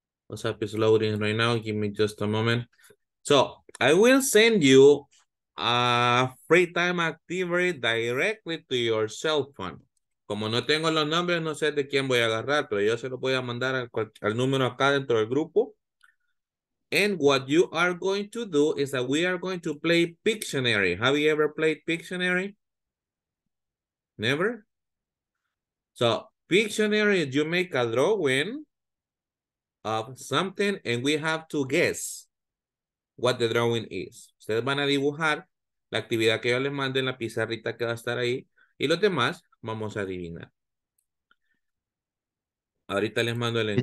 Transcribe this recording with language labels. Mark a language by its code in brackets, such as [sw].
[en] WhatsApp is loading right now. Give me just a moment. So I will send you a free time activity directly to your cell phone. [es] Como no tengo los nombres, no sé de quién voy a agarrar, pero yo se lo voy a mandar al número acá dentro del grupo. [en] And what you are going to do is that we are going to play Pictionary. Have you ever played Pictionary? Never? So Pictionary, you make a drawing of something and we have to guess what the drawing is. [es] Ustedes van a dibujar la actividad que yo les mando en la pizarrita que va a estar ahí y los demás vamos a adivinar. Ahorita les mando el enlace.